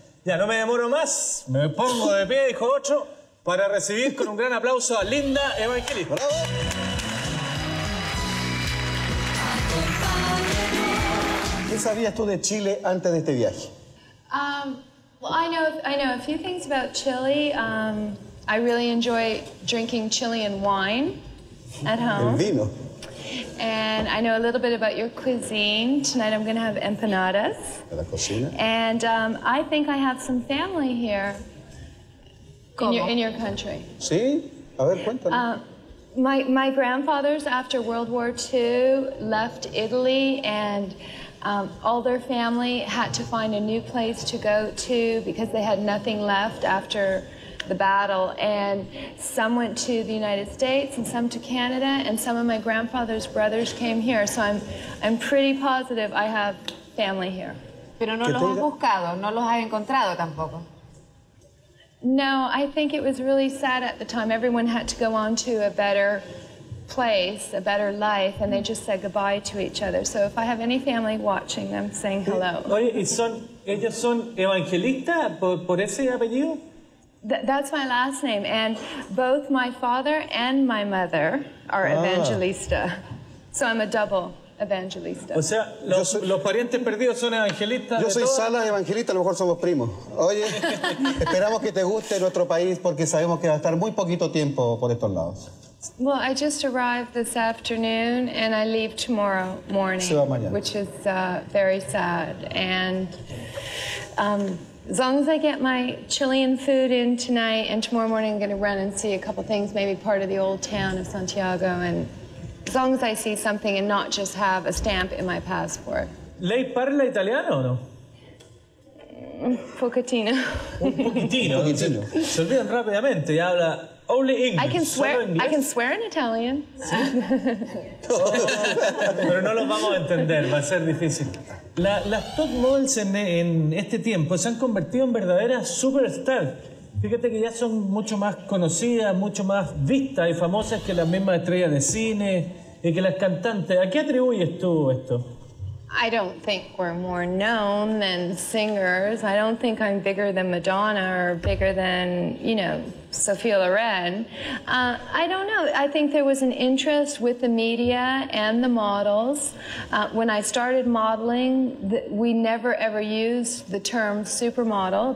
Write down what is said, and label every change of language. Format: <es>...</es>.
<es>Ya, no me demoro más. Me pongo de pie, dijo Ocho, para recibir con un gran aplauso a Linda Evangelista. ¡Bravo! ¿Qué sabías tú de Chile antes de este viaje?</es> <en>I know a few things about Chile. I really enjoy drinking Chilean wine at home.</en> <es>El vino.</es> <en>And I know a little bit about your cuisine. Tonight I'm going to have empanadas.</en> <es>La cocina.</es> <en>And I think I have some family here.</en> <es>¿Cómo?</es> <en>In your country.</en> <es>Sí. A ver, cuéntame.</es> <en>My grandfathers after World War II left Italy and all their family had to find a new place to go to because they had nothing left after the battle. And some went to the United States and some to Canada, and some of my grandfather's brothers came here. So I'm pretty positive I have family here.</en> <es>Pero no los has buscado, no los has encontrado tampoco.</es> <en>No, I think it was really sad at the time. Everyone had to go on to a better place, a better life, and they just said goodbye to each other. So if I have any family watching, I'm saying hello.</en> <es>Oye, ¿y son, ellos son evangelistas por ese apellido?</es> <en>That's my last name, and both my father and my mother are evangelista. So I'm a double evangelista.</en> <es>O sea, los parientes perdidos son evangelistas. Yo soy Salas evangelista, a lo mejor somos primos. Oye, esperamos que te guste nuestro país porque sabemos que va a estar muy poquito tiempo por estos lados.</es> <en>Well, I just arrived this afternoon and I leave tomorrow morning, which is very sad. And as long as I get my Chilean food in tonight and tomorrow morning, I'm going to run and see a couple things, maybe part of the old town of Santiago. And as long as I see something and not just have a stamp in my passport.</en> <it>¿Lei parla italiano o no? Pochettino.</it> <es>Pochettino. Se olvidan rápidamente y habla.</es> <en>Only English. I can swear in Italian.</en> <es>Pero no los vamos a entender, va a ser difícil. Las top models en este tiempo se han convertido en verdaderas superstars. Fíjate que ya son mucho más conocidas, mucho más vistas y famosas que las mismas estrellas de cine y que las cantantes. ¿A qué atribuyes tú esto?</es> <en>I don't think we're more known than singers. I don't think I'm bigger than Madonna or bigger than, you know, Sophia Loren. I don't know. I think there was an interest with the media and the models. When I started modeling, we never ever used the term supermodel.</en>